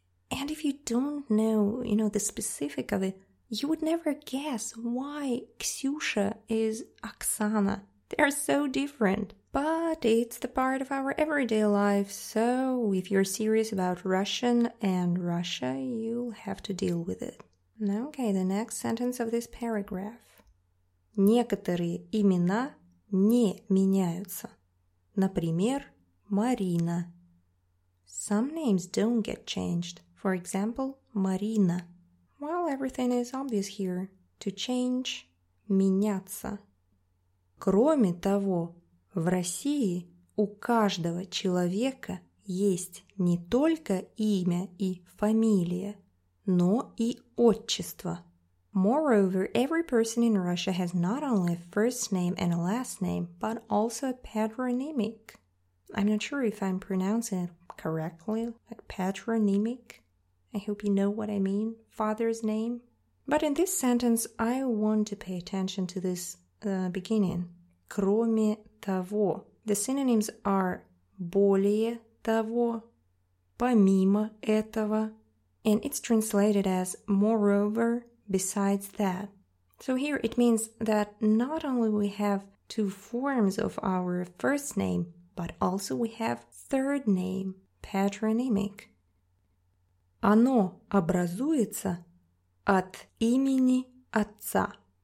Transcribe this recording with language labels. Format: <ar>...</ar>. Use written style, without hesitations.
<en>And if you don't know, you know, the specific of it, you would never guess why Ksyusha is Oksana. They are so different. But it's the part of our everyday life, so if you're serious about Russian and Russia, you'll have to deal with it. Okay, the next sentence of this paragraph.</en> <ru>Некоторые имена не меняются. Например, Марина.</ru> <en>Some names don't get changed. For example, Marina. Well, everything is obvious here. To change, меняться.</en> <ru>Кроме того, в России у каждого человека есть не только имя и фамилия, но и отчество.</ru> <en>Moreover, every person in Russia has not only a first name and a last name, but also a patronymic. I'm not sure if I'm pronouncing it correctly, like patronymic. I hope you know what I mean, father's name. But in this sentence, I want to pay attention to this beginning.</en> <ru>Кроме того.</ru> <en>The synonyms are</en> <ru>более того, помимо этого.</ru> <en>And it's translated as moreover, besides that. So here it means that not only we have two forms of our first name, but also we have third name, patronymic.</en> <ru>Оно образуется от имени отца.</ru>